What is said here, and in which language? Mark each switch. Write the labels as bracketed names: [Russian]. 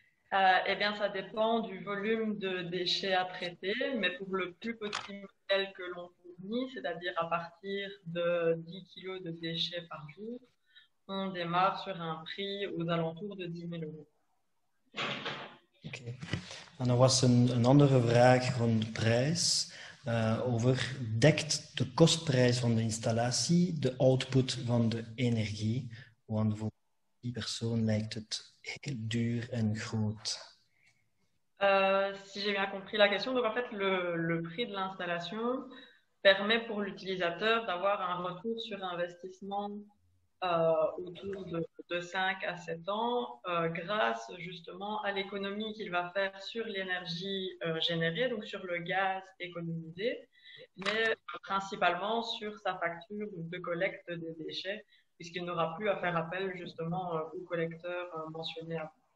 [French] Ça dépend du volume de déchets à traiter, mais pour le plus petit modèle que l'on fournit, c'est-à-dire à partir de 10 kg de déchets par jour, on démarre sur un prix aux alentours de 10 000 euros. Ok. On a aussi une autre question sur le prix. [Dutch] Over dekt de kostprijs van de installatie de output van de energie? Want voor die persoon lijkt het heel duur en groot. [French] Si j'ai bien compris la question, donc en fait le prix de l'installation permet pour l'utilisateur d'avoir un retour sur investissement autour de 5 à 7 ans grâce justement à l'économie qu'il va faire sur l'énergie générée, donc sur le gaz économisé, mais principalement sur sa facture de collecte des déchets puisqu'il n'aura plus à faire appel justement au collecteur mentionné avant.